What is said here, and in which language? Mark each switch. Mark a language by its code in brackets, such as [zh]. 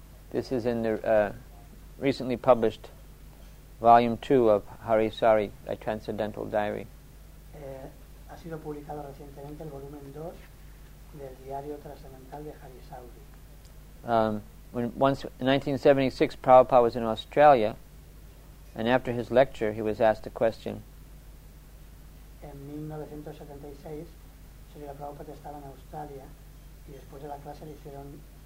[en] This is in the recently published volume 2 of Hari Sari, a Transcendental Diary. [es] Ha sido publicado recientemente el volumen 2 del diario trascendental de Hari Sari. [en] Once in 1976, Prabhupada was in Australia, and after his lecture, he was asked a question. [es] En 1976, Srila Prabhupada estaba en Australia, y después de la clase le hicieron.